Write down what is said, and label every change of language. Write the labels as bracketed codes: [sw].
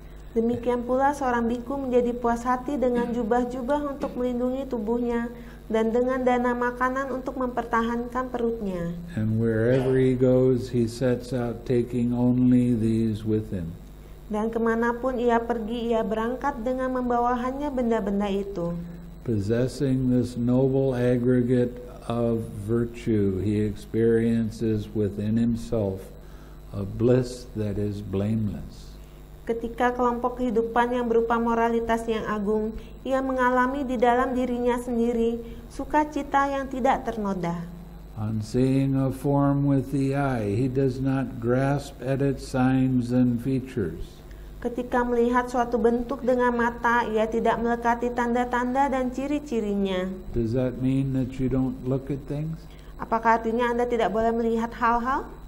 [id] Demikian pula seorang bhikkhu menjadi puas hati dengan jubah-jubah untuk melindungi tubuhnya dan dengan dana makanan untuk mempertahankan perutnya. [en] And wherever he goes, he sets out taking only these with him. [id] Dan kemanapun ia pergi, ia berangkat dengan membawa hanya benda-benda itu. [en] Possessing this noble aggregate of virtue, he experiences within himself a bliss that is blameless. [id] Ketika kelompok kehidupan yang berupa moralitas yang agung, ia mengalami di dalam dirinya sendiri sukacita yang tidak ternoda. [en] On seeing a form with the eye, he does not grasp at its signs and features. [id] Ketika melihat suatu bentuk dengan mata, ia tidak melekati tanda-tanda dan ciri-cirinya. [en] Does that mean that you don't look at things? [id] Apakah artinya Anda tidak boleh melihat hal-hal?